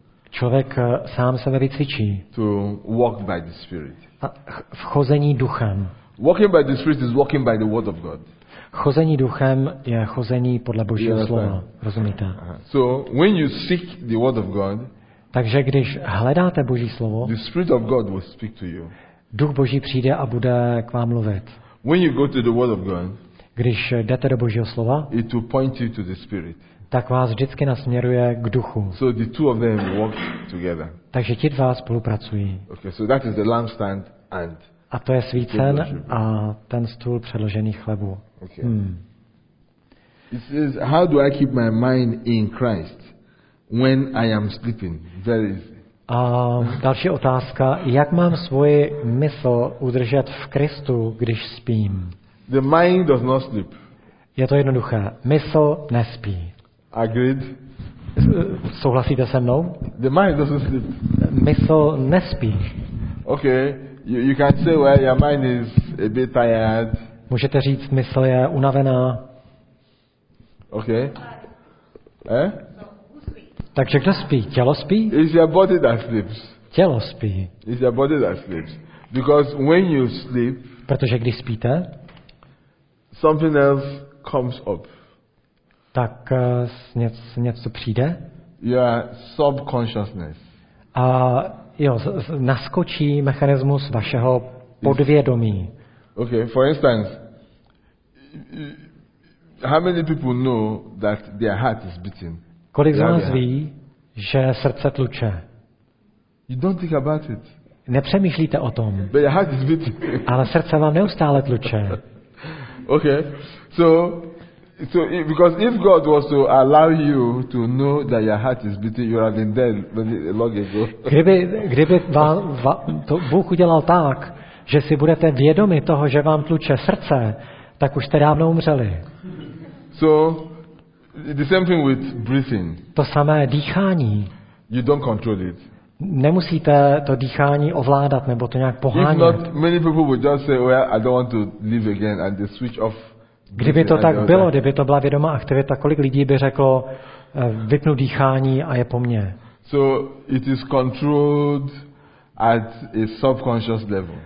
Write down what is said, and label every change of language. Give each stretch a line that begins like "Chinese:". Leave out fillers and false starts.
Czech: Člověk sám sebe vycvičí.
English: To walk by the Spirit.
Czech: A chození duchem.
English: Walking by the Spirit is walking by the Word of God.
Czech: Chození duchem je chození podle Božího slova. Rozumíte? Uh-huh.
English: So when you seek the Word of God.
Czech: Takže když hledáte Boží slovo,
English: the Spirit of God will speak to you.
Czech: Duch Boží přijde a bude k vám mluvit.
English: When you go to the Word of God,
Czech: když jdete do Božího slova,
English: it will point you to the Spirit.
Czech: Tak vás vždycky nasměruje k duchu.
English: So the two of them work together.
Czech: Takže ti dva spolupracují.
English: Okay, so that is the lampstand and
Czech: a to je svícen a ten stůl předložený chlebu.
English: Okay. It says, how do I keep my mind in Christ? When I am sleeping, very easy.
Czech: A další otázka, jak mám svoji mysl udržet v Kristu, když spím?
English: The mind does not sleep.
Czech: Je to jednoduché, mysl nespí.
English: Agreed.
Czech: Souhlasíte se mnou?
English: The mind doesn't sleep.
Czech: Mysl nespí.
English: Okay, you can say well your mind is a bit tired.
Czech: Můžete říct, mysl je unavená.
English: Okay. Eh?
Czech: Takže kdo spí? Tělo spí?
English: It's your body that sleeps.
Czech: Tělo spí.
English: It's your body that sleeps. Because when you sleep,
Czech: protože když spíte,
English: something else comes up.
Czech: Tak něco přijde?
English: Your subconsciousness.
Czech: A jo, naskočí mechanismus vašeho podvědomí.
English: Okay, for instance, how many people know that their heart is beating?
Czech: Kolik z vás ví, že srdce tluče?
English: You don't think about it.
Czech: Nepřemýšlíte o tom.
English: But your heart is beating.
Czech: Ale srdce vám neustále tluče.
English: Okay, so because if God was to allow you to know that your heart is beating, you would have been dead long ago.
Czech: Kdyby vám to Bůh udělal tak, že si budete vědomi toho, že vám tluče srdce, tak už jste dávno umřeli.
English: So the same thing with breathing.
Czech: To samé dýchání.
English: You don't control it.
Czech: Nemusíte to dýchání ovládat nebo to nějak pohánět.
English: If not, many people would just say, well, I don't want to live again, and they switch off.
Czech: Kdyby to tak bylo, kdyby to byla vědomá aktivita, kolik lidí by řeklo, vypnu dýchání a je po mně.
English: So it is controlled at a subconscious level.